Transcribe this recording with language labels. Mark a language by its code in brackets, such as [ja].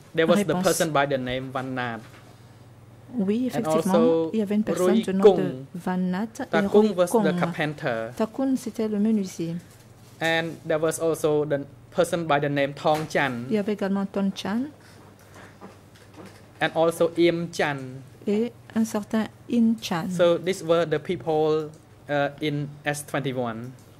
[en] There was the person by the name Van Nat. [fr] Oui, effectivement, il y avait une personne du nom de Van Nat. [en] Takun was the carpenter. [fr] Takun, c'était le menuisier. [en] And there was also the person by the name Thong Chan. [fr] Il y avait également Thong Chan. [en] And also Im Chan. [fr] Et un certain Im Chan. [en] So these were the people in S21.